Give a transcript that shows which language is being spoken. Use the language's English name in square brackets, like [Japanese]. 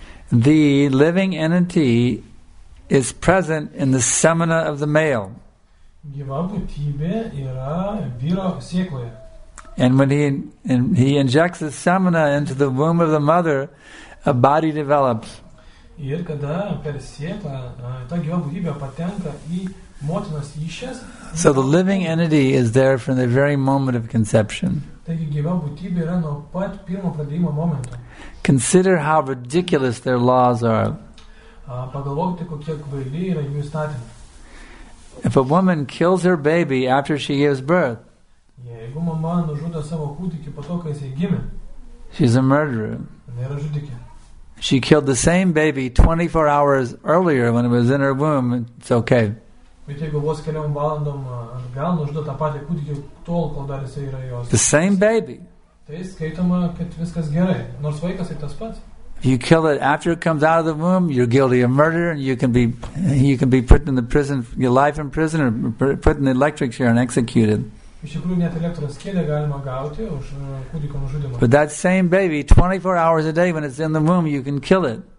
[English] The living entity is present in the semina of the male. [Lithuanian] Gyva būtybė yra vyro sėkloje. [English] And when he injects the semina into the womb of the mother, a body develops. [Lithuanian] Ir kada per sėklą ta gyva būtybė patenka į motinos įšės. [English] So the living entity is there from the very moment of conception. [Lithuanian] Taigi gyva būtybė yra nuo pat pirmo pradėjimo momento. [English] Consider how ridiculous their laws are. [Lithuanian] Pagalvokite, kokie kvaili yra jų įstatymai. [English] If a woman kills her baby after she gives birth, [Lithuanian] jeigu mama nužudo savo kūdikį po to, kai jis gimė, [English] she's a murderer. [Lithuanian] Jinai yra žudikė. [English] She killed the same baby 24 hours earlier when it was in her womb. It's okay. [Lithuanian] Bet jeigu vos keliom valandom atgal nužudo tą patį kūdikį tol, kol dar jis yra jos. [English] The same baby. [Lithuanian] Tai skaitoma, kad viskas gerai, nors vaikas ir tas pats. [English] You kill it after it comes out of the womb, you're guilty of murder, and you can be put in the prison, your life in prison, or put in the electric chair and executed. But that same baby, 24 hours a day when it's in the womb, you can kill it.